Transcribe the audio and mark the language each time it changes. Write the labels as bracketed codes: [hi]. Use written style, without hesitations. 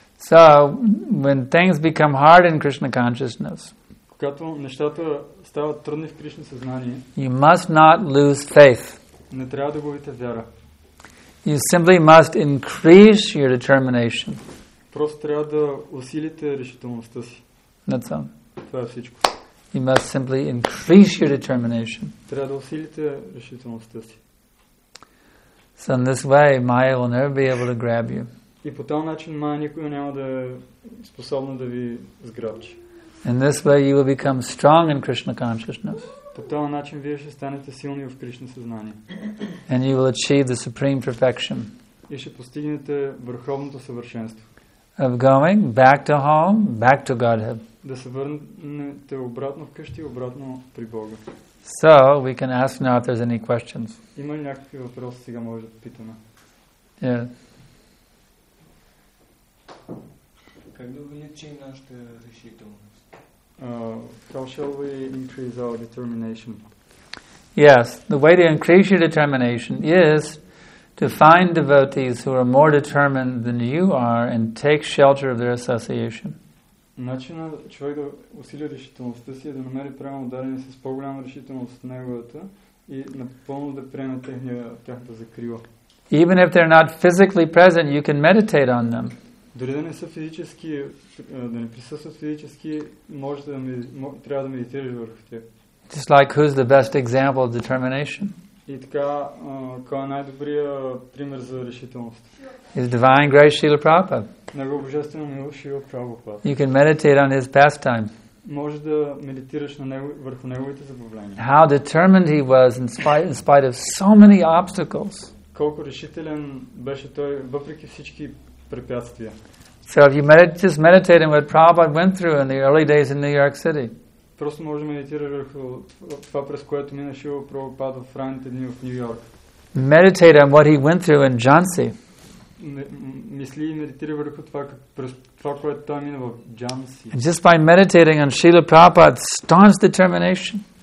[en] So when things become hard in Krishna consciousness, [bg] когато нещата стават трудни в Кришна съзнание, [en] you must not lose faith. [bg] Не трябва да губите вяра. [en] You simply must increase your determination. [bg] Просто трябва да усилите решителността си. [en] That's all. [bg] Това е всичко. [en] You must simply increase your determination. [bg] Трябва да усилите решителността си. [en] So in this way, Maya will never be able to grab you. [bg] И по този начин Maya никога няма да е способна да ви сграбчи. [en] In this way, you will become strong in Krishna consciousness. [bg] По този начин вие ще станете силни в Кришна съзнание. [en] And you will achieve the supreme perfection. [bg] и ще постигнете върховното съвършенство. [en] Of going back to home, back to Godhead. [bg] Да се върнете обратно вкъщи и обратно при Бога. [en] So, we can ask now if there's any questions. [bg] Има ли някакви въпроси, сега може да питаме? Как да увеличи нашата решителност? [en] How shall we increase our determination? Yes, the way to increase your determination is to find devotees who are more determined than you are and take shelter of their association. [bg] Начинът човек да усили решителността си е да намери правилно дарени с по-голяма решителност от неговата и напълно да приеме тяхната закрила. [en] Even if they're not physically present, you can meditate on them. [bg] Дори да не са физически, да не присъстват физически, може да трябва да медитираш върху тях. [en] Just like who's the best example of determination? [bg] И така, кой е най-добрият пример за решителност? [en] Is Divine Grace Srila Prabhupada. [bg] Негов божествен мил Шрила Прабхупада. [en] You can meditate on his pastime. [bg] Може да медитираш на него, върху неговите забавления. [en] How determined he was in spite of so many obstacles. [bg] Колко решителен беше той въпреки всички препятствия. [en] So if you meditate on what Prabhupada went through in the early days in New York City. [bg] Просто може да медитираш върху това, през което мина Шрила Прабхупада в ранните дни в Нью Йорк. [en] Meditate on what he went through in Jhansi. [bg] Мисли и медитирай върху това, през това, което той мина в Jhansi. [en] Just by meditating on Srila Prabhupada's staunch determination.